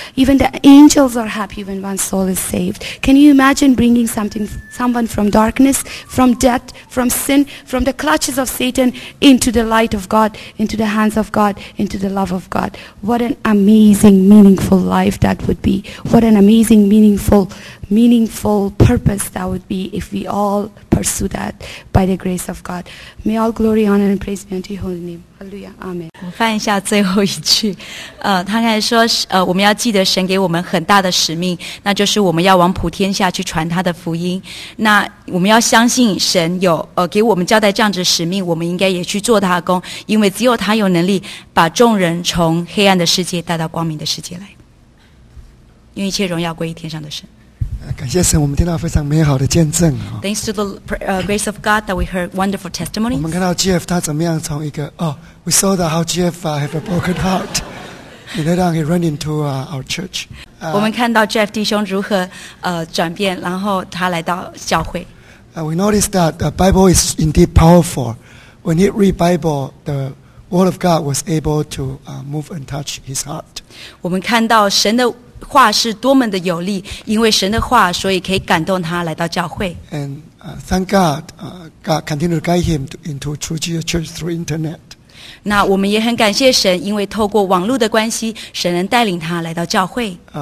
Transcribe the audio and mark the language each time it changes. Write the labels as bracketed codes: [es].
[en] Even the angels are happy when one soul is saved. Can you imagine bringing someone from darkness, from death, from sin, from the clutches of Satan into the light of God, into the hands of God, into the love of God? What an amazing, meaningful life that would be. What an amazing, meaningful purpose that would be if we all pursue that by the grace of God. May all glory, honor, and praise be unto your holy name. Hallelujah. Amen. [zh] 我翻一下最后一句，他刚才说，我们要记得神给我们很大的使命，那就是我们要往普天下去传他的福音。那我们要相信神有给我们交代这样子使命，我们应该也去做他的工，因为只有他有能力把众人从黑暗的世界带到光明的世界来。因为一切荣耀归于天上的神。感谢神，我们听到非常美好的见证。 [en] Thanks to the grace of God that we heard wonderful testimony. [zh] 我们看到 GF 他怎么样从一个 [en] we saw that how GF have a broken heart, and then he ran into our church. [zh] 我们看到 GF 弟兄如何转变，然后他来到教会。 [en] We noticed that the Bible is indeed powerful. When he read Bible, the word of God was able to move and touch his heart. [zh] 我们看到神的话是多么的有力，因为神的话，所以可以感动他来到教会。 [en] And thank God, God continued to guide him into True Jesus Church through internet. [zh] 那我们也很感谢神，因为透过网络的关系，神能带领他来到教会。